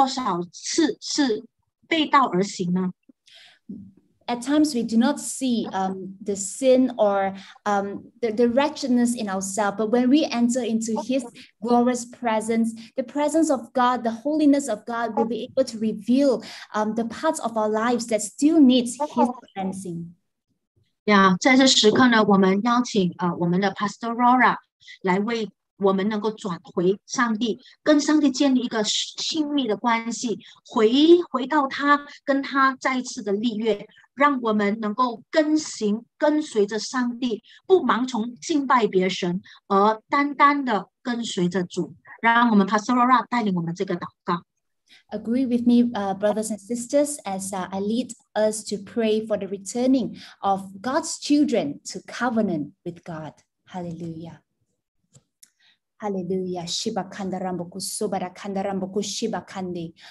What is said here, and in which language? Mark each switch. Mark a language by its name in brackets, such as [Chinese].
[Chinese] 人，我们自己也许是看不见，但是当我们进入神圣的同在的时候，圣灵会启示我们，圣灵会带领我们，让我们看见我们内心、我们的思维里面有多少次是背道而行呢？ [English] At times we do not see the sin or the wretchedness in ourselves, but when we enter into His glorious presence, the presence of God, the holiness of God will be able to reveal the parts of our lives that still needs His cleansing. [Chinese] Yeah, 在这时刻呢，我们邀请我们的 Pastor Rora 来为我们能够转回上帝，跟上帝建立一个亲密的关系，回到他，跟他再一次的立约。让我们能够跟随着上帝，不盲从敬拜别神，而单单的跟随着主。让我们 Pastor Laura 带领我们这个祷告。 [English] Agree with me, brothers and sisters, as I lead us to pray for the returning of God's children to covenant with God. Hallelujah. Hallelujah. Shiba kandarambuku subara kandarambuku shiba kandi.